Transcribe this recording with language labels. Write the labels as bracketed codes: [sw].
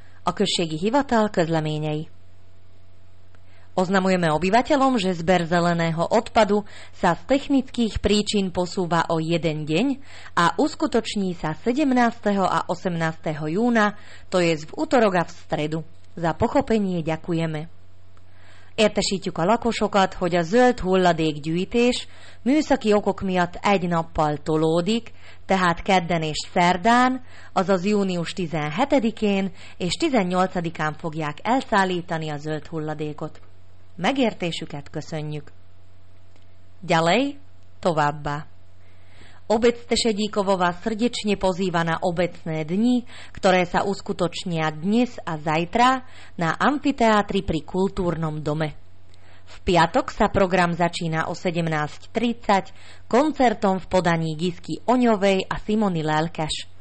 [hu] A községi hivatal közleményei. [sk] Oznamujeme obyvateľom, že zber zeleného odpadu sa z technických príčin posúva o jeden deň a uskutoční sa 17. a 18. júna, to je v utorok a v stredu. Za pochopenie ďakujeme. [hu] Értesítjük a lakosokat, hogy a zöld hulladékgyűjtés műszaki okok miatt egy nappal tolódik, tehát kedden és szerdán, azaz június 17-én és 18-án fogják elszállítani a zöld hulladékot. Megértésüket köszönjük. [sk] Ďalej, [hu] továbbá. [sk] Obec Tešedíkovová srdečne pozýva na obecné dni, ktoré sa uskutočnia dnes a zajtra na amfiteátri pri kultúrnom dome. V piatok sa program začína o 17.30 koncertom v podaní Gisky Oňovej a Simony Lelkeš.